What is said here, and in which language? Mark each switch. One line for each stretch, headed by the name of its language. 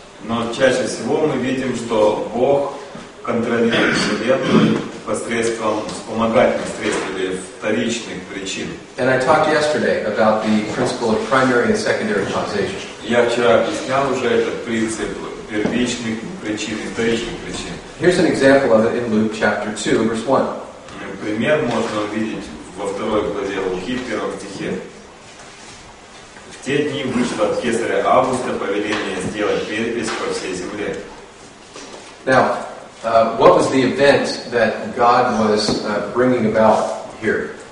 Russian: Но чаще всего мы видим, что Бог контролирует Вселенную посредством вспомогательных средств или вторичных причин.
English: And I talked yesterday about the principle of primary and secondary causation.
Russian: Я вчера объяснял уже этот принцип первичных причин и вторичных причин.
English: Here's an example of it in Luke chapter 2, verse 1.
Russian: Пример можно увидеть во второй главе Луки, в первом стихе. В те дни вышло от кесаря Августа повеление сделать перепись по всей земле.
English: Now, what was the event that God was bringing about here?